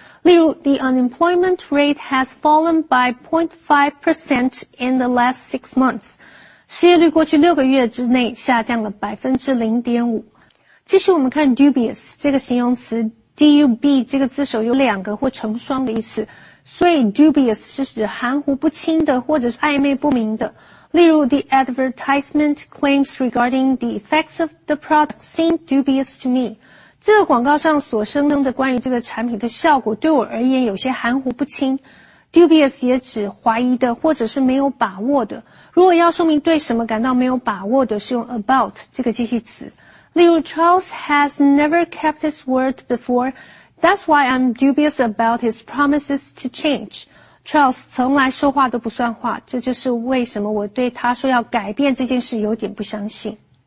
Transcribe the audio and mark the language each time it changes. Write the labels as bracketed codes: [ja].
[en] 例如 ,the unemployment rate has fallen by 0.5% in the last 6 months. [zh] 失业率过去六个月之内下降了 0.5%。继续我们看 dubious 这个形容词 dub 这个字首有两个或成双的意思，所以 dubious 是指含糊不清的或者是暧昧不明的。 [en] 例如 The advertisement claims regarding the effects of the product seem dubious to me. [zh] 这个广告上所声称的关于这个产品的效果对我而言有些含糊不清。 dubious 也指怀疑的或者是没有把握的。如果要说明对什么感到没有把握的，是用 about 这个介系词。 [en] 例如 ,Charles has never kept his word before, that's why I'm dubious about his promises to change. [zh] Charles 从来说话都不算话，这就是为什么我对他说要改变这件事有点不相信。